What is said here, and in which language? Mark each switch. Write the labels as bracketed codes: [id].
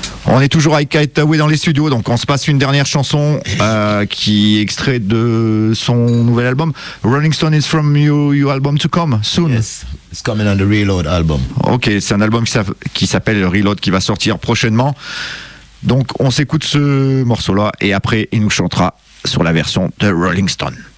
[fr] On est toujours avec Hightaway dans les studios, donc on se passe une dernière chanson qui est extrait de son nouvel album. [en] Rolling Stone is from your album to come soon. Yes, it's coming on the Reload album. [fr] Ok, c'est un album qui s'appelle Reload qui va sortir prochainement. Donc on s'écoute ce morceau-là et après il nous chantera sur la version de Rolling Stone.